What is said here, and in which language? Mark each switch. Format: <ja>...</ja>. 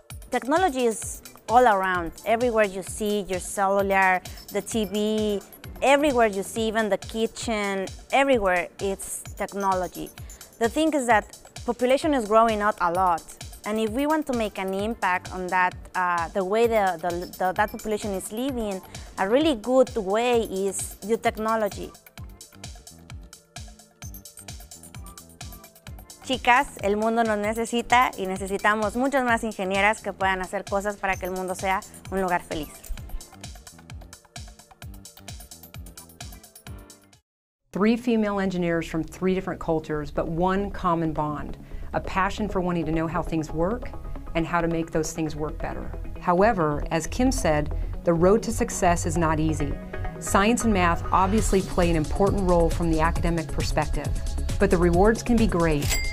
<en>Technology is all around. Everywhere you see your cellular, the TV, everywhere you see, even the kitchen, everywhere it's technology. The thing is that population is growing up a lot. And if we want to make an impact on that, the way that population is living, a really good way is new technology.</en> <es>Chicas, el mundo nos necesita y necesitamos muchas más ingenieras que puedan hacer cosas para que el mundo sea un lugar feliz.</es> <en>Three female engineers from three different cultures, but one common bond, a passion for wanting to know how things work and how to make those things work better. However, as Kim said, the road to success is not easy. Science and math obviously play an important role from the academic perspective, but the rewards can be great.</en>